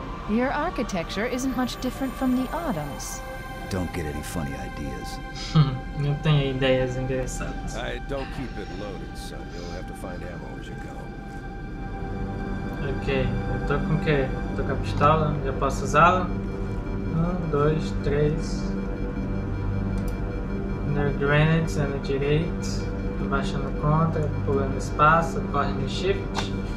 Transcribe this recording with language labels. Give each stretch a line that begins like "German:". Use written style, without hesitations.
English: Your architecture isn't much different from the Autumn's. Don't get any funny ideas.
Portuguese: Não tenho ideias interessantes.
English: I don't keep it loaded, son. You'll have to find ammo as you go.
Portuguese: Ok, eu tô com o quê? Tô com a pistola, já posso usá-la? Um, dois, três.
English: Nerd grenades, energy rate.
Portuguese: Abaixando contra, pulando espaço, corre no shift.